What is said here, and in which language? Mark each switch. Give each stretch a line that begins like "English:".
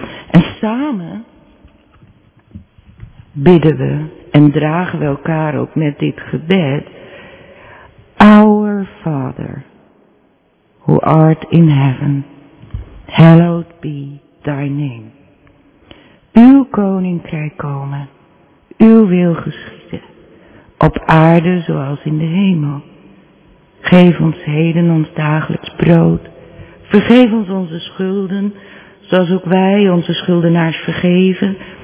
Dutch: En samen bidden we en dragen we elkaar ook met dit gebed.
English: Our Father, who art in heaven, hallowed be thy name.
Dutch: Uw koninkrijk komen, uw wil geschieden, op aarde zoals in de hemel. Geef ons heden ons dagelijks brood. Vergeef ons onze schulden, zoals ook wij onze schuldenaars vergeven.